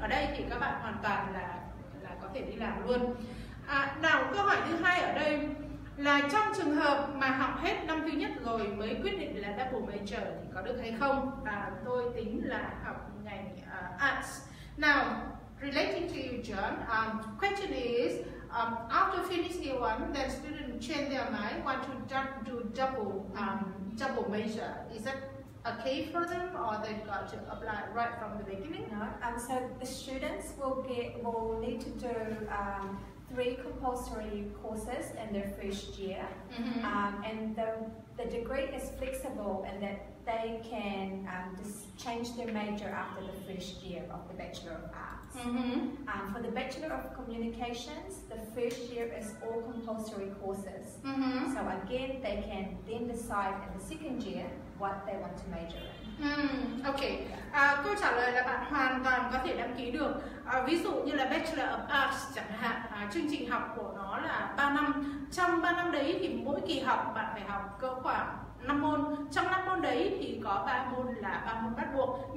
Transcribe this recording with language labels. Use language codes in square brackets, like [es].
[vi] Ở đây thì các bạn hoàn toàn là có thể đi làm luôn. Nào, câu hỏi thứ hai ở đây là trong trường hợp mà học hết năm thứ nhất rồi mới quyết định là double major thì có được hay không? Tôi tính là học ngành arts. Nào, [en] relating to you, John. Question is, after finishing year one, the student change their mind, want to do double major. Is that okay for them, or they've got to apply right from the beginning? No. So the students will need to do three compulsory courses in their first year, mm-hmm. And the degree is flexible in that they can change their major after the first year of the Bachelor of Arts. Mm-hmm. For the Bachelor of Communications, the first year is all compulsory courses. Mm-hmm. So again, they can then decide in the second year what they want to major in. Okay. [vi] Câu trả lời là bạn hoàn toàn có thể đăng ký được. Ví dụ như là Bachelor of Arts chẳng hạn, chương trình học của nó là 3 năm. Trong 3 năm đấy thì mỗi kỳ học bạn phải học cỡ khoảng 5 môn. Trong 5 môn đấy thì có 3 môn là 3 môn bắt buộc.